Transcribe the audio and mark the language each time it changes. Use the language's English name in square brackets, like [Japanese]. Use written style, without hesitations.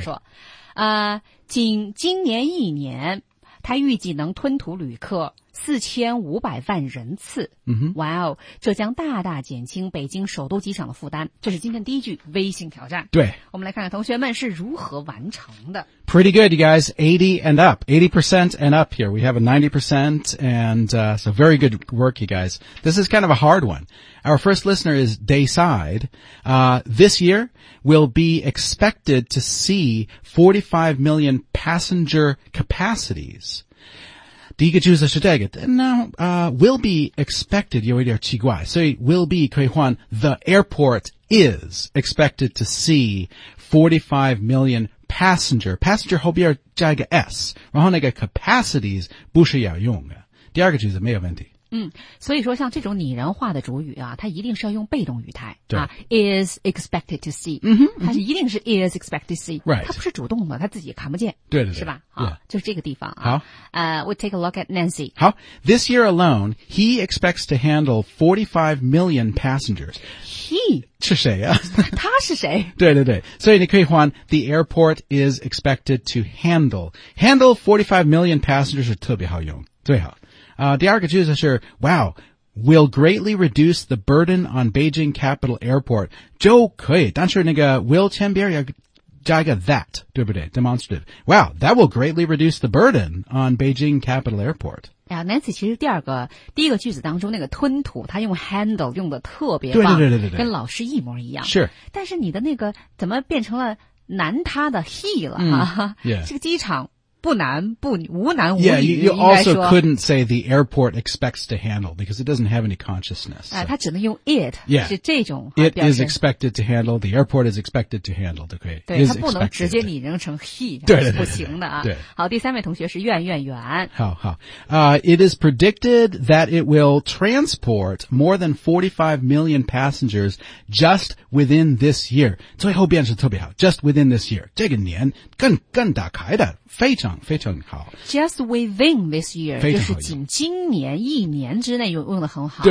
[Chinese] 说，仅今年一年，他预计能吞吐旅客 4500万人次。哇哦，这将大大减轻北京首都机场的负担。这是今天第一句微信挑战。对。我们来看看同学们是如何完成的。 [English] Pretty good, you guys. 80 and up. 80% and up here. We have a 90% and, so very good work, you guys. This is kind of a hard one. Our first listener is Dayside. This year we'll be expected to see 45 million passenger capacities. [Chinese] 第一个句子是这个 [English] will be expected, [Chinese] 有一点奇怪。 [English] 所以 will be [Chinese] 可以换 [English] the airport is expected to see 45 million passenger. [Chinese] Passenger 后边加一个 S, 然后那个 capacities 不是要用的。第二个句子没有问题。所以说像这种拟人化的主语啊，它一定是要用被动语态。对。 [English] 啊、is expected to see. [Chinese] 它是一定是 [English] is expected to see.、 Right. [Chinese] 它不是主动的，它自己看不见。对对对。是吧、 [English] yeah. [Chinese] 就是这个地方啊。好。 [English] We take a look at Nancy. [Chinese] 好。 [English] This year alone, he expects to handle 45 million passengers. He? [Chinese] 是谁啊他是谁对对对。所以你可以换 [English] the airport is expected to handle. Handle 45 million passengers [Chinese] 是特别好用。最好。第二个句子是 [English] wow, will greatly reduce the burden on Beijing Capital Airport. [Chinese] 就可以但是那个 will 前边要加一个 that, 对不对 demonstrative. [English] Wow, that will greatly reduce the burden on Beijing Capital Airport. [Chinese] Nancy 其实第一个句子当中那个吞吐他用 handle 用的特别棒。对对对对对。跟老师一模一样。是。但是你的那个怎么变成了难他的 he 了、 [English] yeah. [Chinese] 这个机场。不难不无难无语 [English] yeah, you also couldn't say the airport expects to handle because it doesn't have any consciousness.、 [Chinese] 它只能用 it, [English] yeah, [Chinese] 是这种、啊、 [English] It is expected to handle, the airport is expected to handle, [Chinese] 对可以。对它不能直接拟人成 he, 对是不行的啊。对对对对对好第三位同学是苑苑苑。好好。 [English] It is predicted that it will transport more than 45 million passengers just within this year. [Chinese] 最后变成特别好 [English] just within this year. [Chinese] 这个年更打开的。非常非常好 [English] Just within this year [Chinese] 就是仅今年一年之内用得很好